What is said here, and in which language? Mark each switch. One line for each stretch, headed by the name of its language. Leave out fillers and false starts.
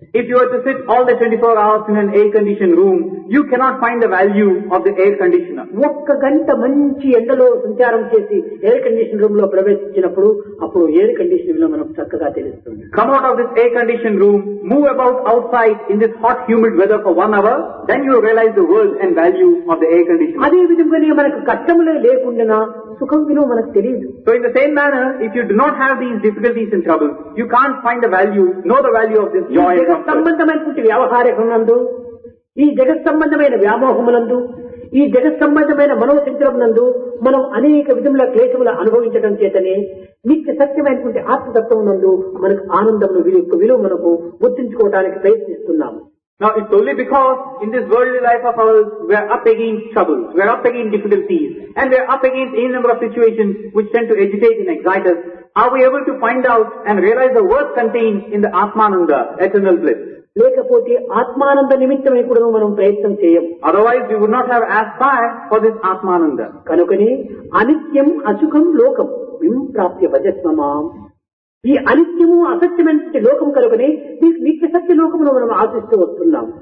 English: If you are to sit all the 24 hours in an air conditioned room, you cannot find the value of the air conditioner.
Telugu: ఒక్క గంట మంచి ఎండలో సంచారం చేసి air condition room లో ప్రవేశించినప్పుడు అప్పుడు ఎయిర్ కండిషన్ విలువ మనకు చక్కగా తెలుస్తుంది.
English: Come out of this air conditioned room, move about outside in this hot humid weather for 1 hour, then you realize the worth and value of the air conditioner.
Telugu: అదే విధంగా మనకు కష్టములే లేకుండా సుఖం విలువ మనకు తెలియదు.
English: So in the same manner, if you do not have these difficulties and troubles, you can't find the value, know the value of this joy.
Telugu: జగత్ సంబంధమైన వ్యవహారములందు, ఈ జగత్ సంబంధమైన వ్యామోహములందు, ఈ జగత్ సంబంధమైన మనోచంచలమునందు మనం అనేక విధముల క్లేశములు అనుభవించడం చేతనే నిత్య సత్యమైనటువంటి ఆత్మతత్వమునందు మనకు ఆనందము విలువ మనకు గుర్తించుకోవడానికి ప్రయత్నిస్తున్నాము.
English: Now it's only because in this worldly life of ours, we are up against troubles, we are up against difficulties, and we are up against any number of situations which tend to agitate and excite us, are we able to find out and realize the worth contained in the Atmananda, eternal bliss.
Telugu: లేకపోతే ఆత్మానంద నిమిత్తమే కూడా మనం ప్రయత్నం చేయం.
English: Otherwise you would not have aspire for this ఆత్మానంద.
Telugu: కనుకనే
Sanskrit: అనిత్యం అసుఖం లోకం వింప్రాప్య భజస్వమా,
Telugu: ఈ అనిత్యము అసత్యమైన లోకం కలుగునే నిత్య సత్య లోకమును మనం ఆశిస్తూ వస్తున్నాం.